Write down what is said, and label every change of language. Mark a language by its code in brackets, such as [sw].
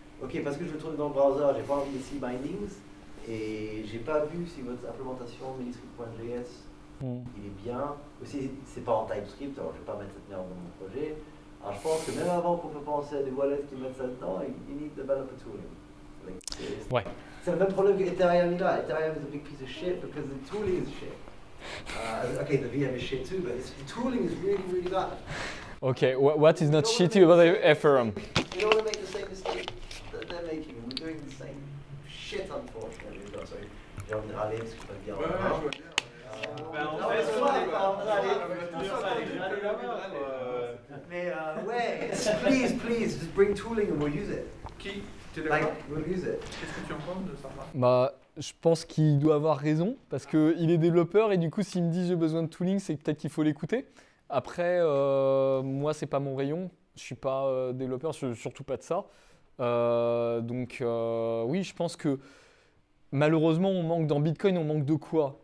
[fr] Ok, parce que je veux tourner dans le browser, j'ai pas envie de C-bindings et j'ai pas vu si votre implémentation miniscript.js. Mmh. Il est bien. Aussi, c'est pas en TypeScript, alors je vais pas mettre cette merde dans mon projet. Alors je pense que même avant qu'on peut penser à des wallets qui mettent ça dedans, il [en] need [fr] de developer tooling. Like, ouais. C'est le même problème que Ethereum est là. [en] Ethereum is a big piece of shit because the tooling is shit. Ok, the VM is shit too, but the tooling is really, really bad. Ok, what is not shitty about Ethereum? You don't want to make the same mistake that they're making. We're doing the same shit, unfortunately. Oh, sorry. [fr] J'ai envie de râler parce que je peux le dire. Ouais, ouais, ouais. Mais ouais, [en] please, just bring tooling and we'll use it. [fr] Qui? [en] We'll use it. [fr] Qu'est-ce que tu en penses de ça? Bah, je pense qu'il doit avoir raison parce que il est développeur et du coup, s'il me dit j'ai besoin de tooling, c'est peut-être qu'il faut l'écouter. Après, moi, c'est pas mon rayon. Je suis pas développeur, surtout pas de ça. Oui, je pense que. Malheureusement, on manque dans Bitcoin, on manque de quoi?